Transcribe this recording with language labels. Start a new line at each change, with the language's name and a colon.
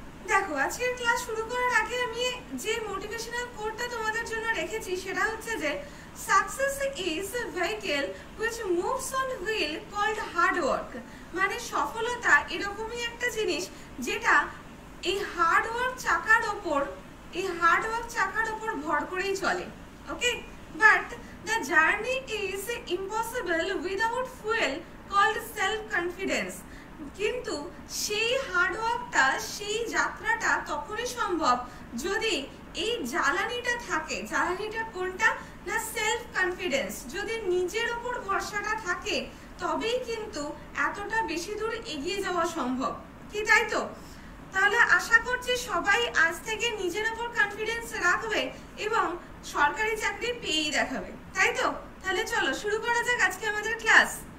Bangla: দেখো আজকের ক্লাস শুরু করার আগে আমি যে মোটিভেশনাল কোটটা তোমাদের জন্য রেখেছি সেটা হচ্ছে যে
English: Success is a vehicle which moves on wheel called hard work.
Bangla: মানে সফলতা এরকমই একটা জিনিস যেটা এই hard work চাকার উপর এই hard work চাকার উপর ভর করেই চলে.
English: Okay? But the journey is impossible without fuel called self-confidence.
Bangla: কিন্তু সেই hard workটা সেই যাত্রাটা তখনই সম্ভব যদি এই জ্বালানিটা থাকে জ্বালানিটা কোনটা না সেলফ কনফিডেন্স যদি নিজের উপর ভরসাটা থাকে তবেই কিন্তু এতটা বেশি দূর এগিয়ে যাওয়া সম্ভব কি তাই তো তাহলে আশা করছি সবাই আজ থেকে নিজের উপর কনফিডেন্স রাখবে এবং সরকারি চাকরি পেয়ে দেখাবে তাই তো তাহলে চলো শুরু করা যাক আজকে আমাদের ক্লাস